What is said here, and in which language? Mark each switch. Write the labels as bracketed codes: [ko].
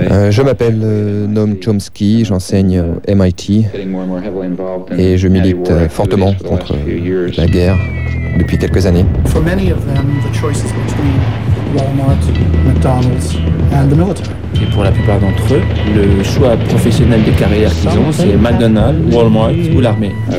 [fr] Je m'appelle Noam Chomsky, j'enseigne au MIT et je milite fortement contre la guerre depuis quelques années. [en] For many of them, the choice is between Walmart, McDonald's and the military. [fr] Et pour la plupart d'entre eux, le choix professionnel de carrière qu'ils ont, c'est McDonald's, Walmart ou l'armée.